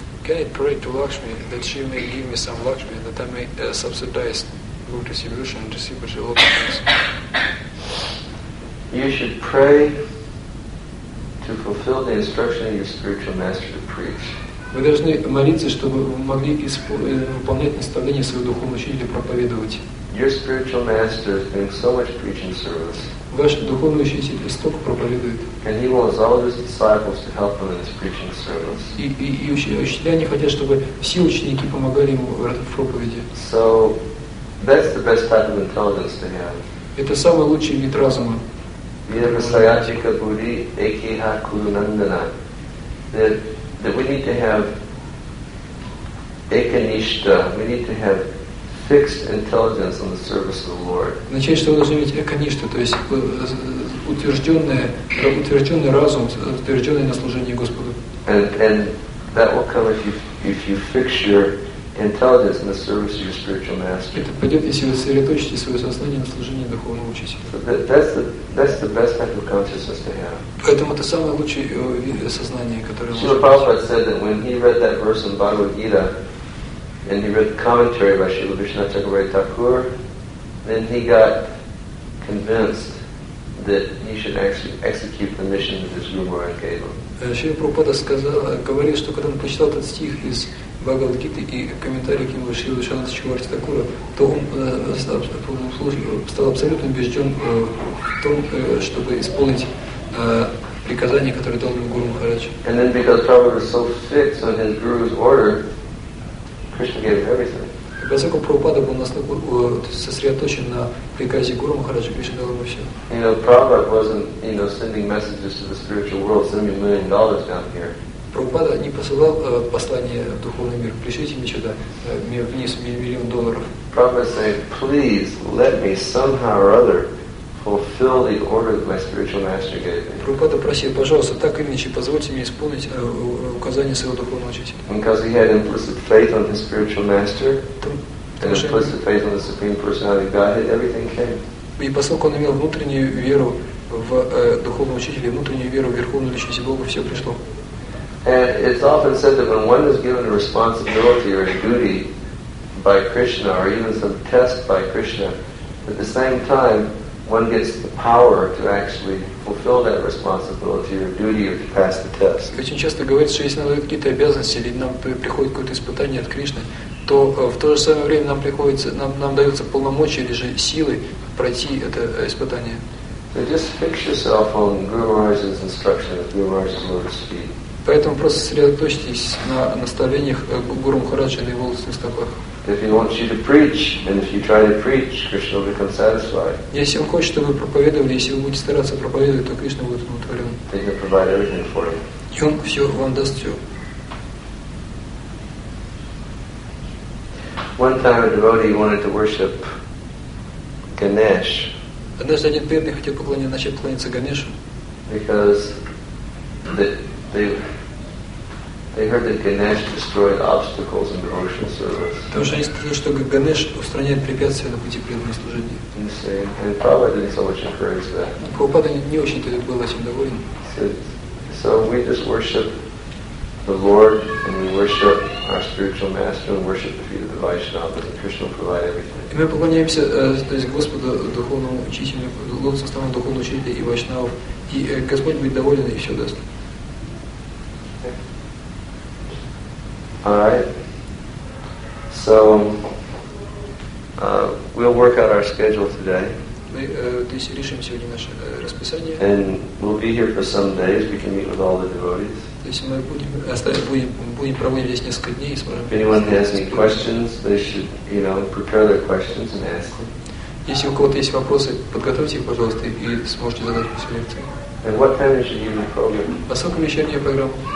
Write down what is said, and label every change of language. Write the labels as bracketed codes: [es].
[en] Can I pray to Lakshmi that she may give me some Lakshmi and that I may subsidize good distribution and receive the local things? You should pray to fulfill the instruction of your spiritual master to preach. [ru] Вы должны молиться, чтобы вы могли выполнять наставления своего духовного учителя проповедовать. [en] Your spiritual master is doing so much preaching service. [ru] Ваш духовный учитель столько проповедует. [en] And he wants all of his disciples to help him in his preaching service. [ru] И учителя не хотят, чтобы все ученики помогали ему в проповеди. [en] So that's the best type of intelligence to have. [ru] Это самый лучший вид разума. [sa] Yamasayachika Buddhi Ekiha Kuru Nandana. [en] That we need to have ekanishta, we need to have fixed intelligence on the service of the Lord. [ru] Значит, что вы должны иметь эконишту, то есть утвержденный разум, утвержденный на служении Господу. [en] And that will come if you fix your intelligence in the service of your spiritual master. [ru] Это пойдет, если вы сосредоточите свое сознание на служении духовного учителя. [en] So that's the best type of consciousness to have. [ru] Поэтому это самое лучшее сознание, которое. [en] Srila Prabhupada said that when he read that verse in Bhagavad Gita. And he read the commentary by Srila Vishnu Chakravarti Thakur, then he got convinced that he should actually execute the mission that his Guru Maharaj gave him. [ru] Srila Prabhupada говорил, что когда он прочитал этот стих из Бхагавад Гиты и комментарий к нему Шрила Вишванатха Чакраварти Такура, то он стал абсолютно убежден в том, чтобы исполнить приказание, которое дал ему Гуру Махарадж. [en] And then because Prabhupada was so fixed on his Guru's order, Krishna gave him everything. [ru] Поскольку Прабхупада был настолько сосредоточен на приказе Гуру Махараджа, Кришна дал ему все. [en] You know, Prabhupada wasn't, you know, sending messages to the spiritual world, send me $1 million down here. [ru] Прабхупада не посылал послание в духовный мир, пришлите мне сюда вниз миллион долларов. [en] Prabhupada said, please let me somehow or other fulfill the order that my spiritual master gave me. [ru] Прабхупада просил, пожалуйста, так или иначе, позвольте мне исполнить указание своего духовного учителя. [en] Because he had implicit faith on his spiritual master, and implicit faith on the Supreme Personality of Godhead, everything came. [ru] И поскольку он имел внутреннюю веру в духовного учителя, внутреннюю веру в Верховную Личность Бога, все пришло. [en] And it's often said that when one is given a responsibility or a duty by Krishna, or even some test by Krishna, at the same time, one gets the power to actually fulfill that responsibility or duty or to pass the test. [ru] Очень часто говорится, что если нам дают какие-то обязанности или нам приходит какое-то испытание от Кришны, то в то же самое время нам даются полномочия или же силы пройти это испытание. [en] So just fix yourself on Guru Maharaj's instruction at Guru Maharaj's lotus feet. [ru] Поэтому просто сосредоточьтесь на наставлениях Гуру Махараджа или его лотосных стопах. [en] If he wants you to preach, and if you try to preach, Krishna will become satisfied. [ru] Если он хочет, чтобы вы проповедовали, если вы будете стараться проповедовать, то Кришна будет удовлетворен. [en] He will provide everything for you. [ru] И он все вам даст все. [en] One time a devotee wanted to worship Ganesh. [ru] Однажды один преданный хотел начать поклоняться Ганешу. [en] Because they heard that Ganesh destroyed obstacles in devotional service. [ru] Потому что они сказали, что Ганеш устраняет препятствия на пути преданного служения. [en] And Prabhupada didn't so much encourage that. [ru] Прабхупада не очень-то был этим доволен. [en] So we just worship the Lord and we worship our spiritual master and worship the feet of the Vaishnavas, and Krishna will provide everything. [ru] И мы поклоняемся, то есть Господу духовному учителю, лотосному духовному учителю и Вайшнавов, и Господь будет доволен и все даст. [en] Alright. So we'll work out our schedule today. [ru] Мы решим сегодня наше расписание. [en] And we'll be here for some days. We can meet with all the devotees. [ru] То есть мы будем проводить здесь несколько дней и сможем. [en] If anyone has any questions, they should, you know, prepare their questions and ask them. [ru] Если у кого-то есть вопросы, подготовьте их, пожалуйста, и сможете задать после лекции. [en] And what time is your evening program? [ru] Во сколько вечерняя программа?